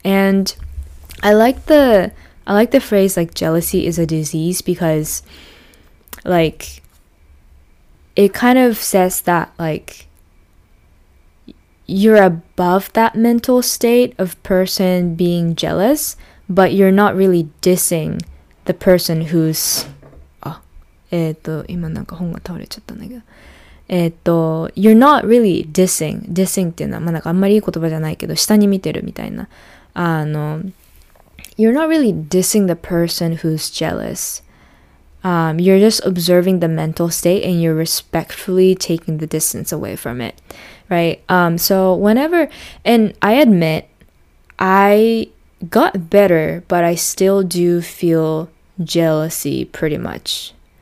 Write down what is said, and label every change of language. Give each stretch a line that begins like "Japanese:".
English: And I like the phrase like jealousy is a disease, because like it kind of says that like you're above that mental state of person being jealous, but you're not really dissing the person who's you're not really dissing.
Japanese: Dissing っていうのは、まあ、なんかあんまりいい言葉じゃないけど、下に見てるみたいな。
English: あの、you're not really dissing the person who's jealous. You're just observing the mental state and you're respectfully taking the distance away from it. Right? So whenever, and I admit, I got better, but I still do feel jealousy pretty much.